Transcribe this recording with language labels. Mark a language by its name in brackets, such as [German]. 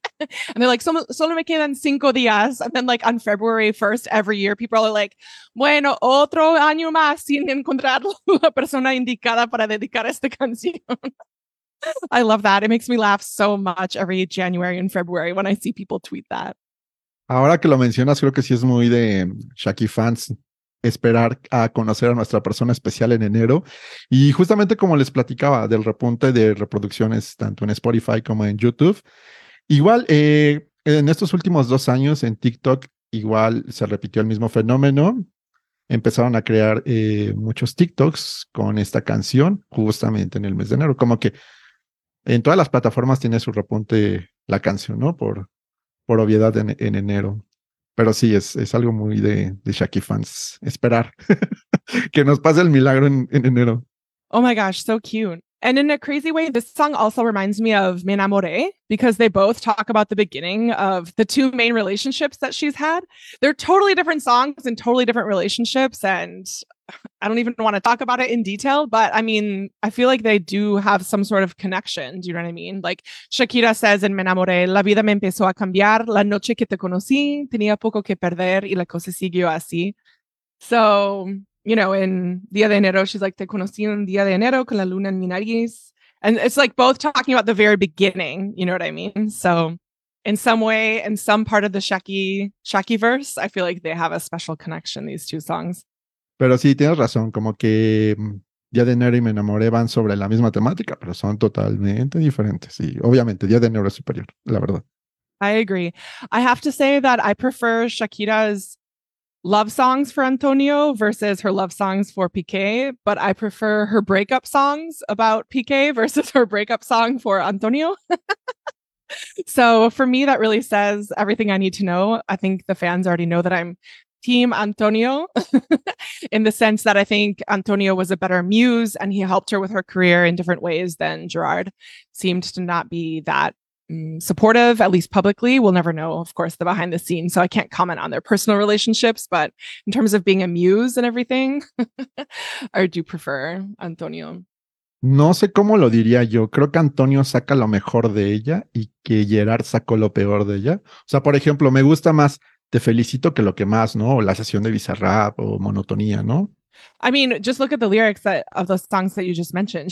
[English] And they're like, [Spanish] solo me quedan 5 días. [English] And then, like, on February 1st every year, people are like, [Spanish] bueno, otro año más sin encontrar la persona indicada para dedicar esta canción. [English] I love that. It makes me laugh so much every January and February when I see people tweet that. [Spanish] Ahora que lo mencionas, creo que sí es muy de Shakira fans esperar a conocer a nuestra persona especial en enero. Y justamente como les platicaba del repunte de reproducciones tanto en Spotify como en YouTube, igual en estos últimos 2 años en TikTok igual se repitió el mismo fenómeno. Empezaron a crear muchos TikToks con esta canción justamente en el mes de enero. Como que en todas las plataformas tiene su repunte la canción, ¿no? Por obviedad en enero. Pero sí, es algo muy de Shakira fans. Esperar que nos pase el milagro en enero. [English] Oh my gosh, so cute. And in a crazy way, this song also reminds me of Me Enamoré, because they both talk about the beginning of the two main relationships that she's had. They're totally different songs and totally different relationships. And I don't even want to talk about it in detail, but I mean, I feel like they do have some sort of connection. Do you know what I mean? Like Shakira says in Me Enamoré, [Spanish] la vida me empezó a cambiar la noche que te conocí, tenía poco que perder y la cosa siguió así. [English] So, you know, in Día de Enero, she's like, [Spanish] te conocí un día de enero con la luna en mi nariz. [English] And it's like both talking about the very beginning, you know what I mean? So in some way, in some part of the Shaki verse, I feel like they have a special connection, these two songs. [Spanish] Pero sí, tienes razón, como que Día de Enero y Me Enamoré van sobre la misma temática, pero son totalmente diferentes. Y obviamente, Día de Enero es superior, la verdad. [English] I agree. I have to say that I prefer Shakira's love songs for Antonio versus her love songs for Piqué, but I prefer her breakup songs about Piqué versus her breakup song for Antonio. So for me, that really says everything I need to know. I think the fans already know that I'm team Antonio in the sense that I think Antonio was a better muse and he helped her with her career in different ways than Gerard seemed to not be that supportive, at least publicly. We'll never know, of course, the behind the scenes. So I can't comment on their personal relationships, but in terms of being a muse and everything, I do prefer Antonio. [Spanish] No sé cómo lo diría yo. Creo que Antonio saca lo mejor de ella y que Gerard sacó lo peor de ella. O sea, por ejemplo, me gusta más Te Felicito que lo que más, ¿no? La sesión de Bizarrap o Monotonía, ¿no? [English] I mean, just look at the lyrics that, of the songs that you just mentioned.